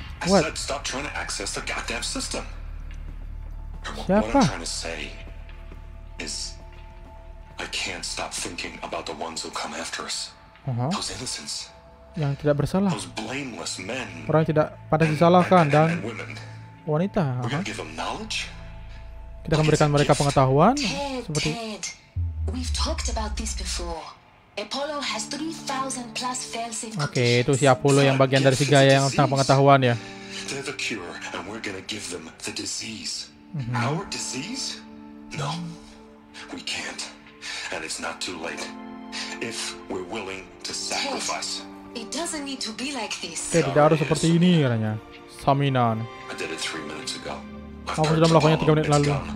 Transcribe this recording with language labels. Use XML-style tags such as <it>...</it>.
<en>What? I said stop trying to access the goddamn system.</en> <id>Siapa?</id> <en>What I'm trying to say is I can't stop thinking about the ones who come after us. Uh-huh. Those innocents.</en> <id>Yang tidak bersalah.</id> <en>Those blameless men.</en> <id>Orang yang tidak pada disalahkan dan</id> <en>women.</en> <id>Wanita.</id> <en>We're gonna give them knowledge?</en> <id>Kita akan memberikan mereka pengetahuan.</id> <en>Ted, we've talked about this before. Apollo has 3,000 plus failsafe cookies.</en> <id>Oke, itu si Apollo yang bagian dari si Gaia yang tentang pengetahuan ya.</id> <en>They're the cure, and we're gonna give them the disease. Mm-hmm. Our disease? No, we can't. And it's not too late. If we're willing to sacrifice. Ted, it doesn't need to be like this.</en> <id>Ted, tidak harus seperti ini katanya. Saminan.</id> <en>I did it 3 minutes ago.</en> <id>Aku sudah melakukannya 3 menit lalu.</id>